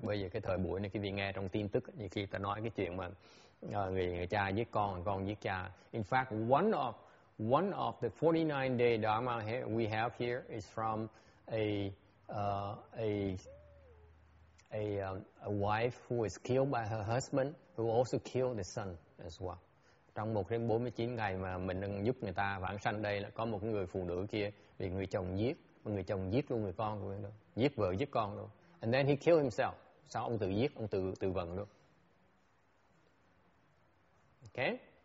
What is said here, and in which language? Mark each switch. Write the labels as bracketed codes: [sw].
[vi] Bây giờ cái thời buổi này, quý vị nghe trong tin tức, nhiều khi ta nói cái chuyện mà người cha giết con giết cha. [en] In fact, one of the 49 day dharma we have here is from a wife who is killed by her husband, who also killed the son as well. [vi] Trong 1-49 ngày mà mình đang giúp người ta vãng sanh đây, là có một người phụ nữ kia bị người chồng giết luôn người con của mình luôn, giết vợ giết con luôn. [en] And then he killed himself. [vi] Sao ông tự giết, ông tự vẫn luôn. Okay.